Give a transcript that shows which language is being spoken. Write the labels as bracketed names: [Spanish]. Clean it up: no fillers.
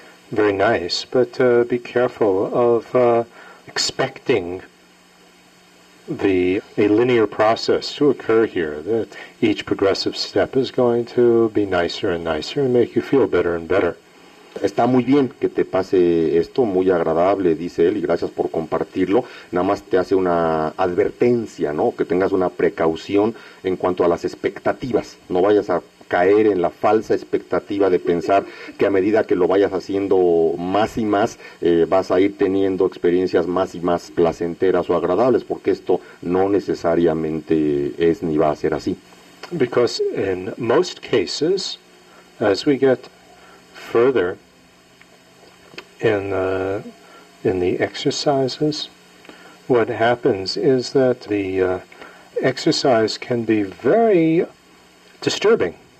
[English] Very nice, but be careful of expecting a linear process to occur here, that each progressive step is going to be nicer and nicer and make you feel better and better. [Spanish] Está muy bien que te pase esto, muy agradable, dice él, y gracias por compartirlo. Nada más te hace una advertencia, ¿no? Que tengas una precaución en cuanto a las expectativas. No vayas a caer en la falsa expectativa de pensar que a medida que lo vayas haciendo más y más, vas a ir teniendo experiencias más y más placenteras o agradables, porque esto no necesariamente es ni va a ser así. [English] Because in most cases, as we get further in the exercises, what happens is that the exercise can be very disturbing.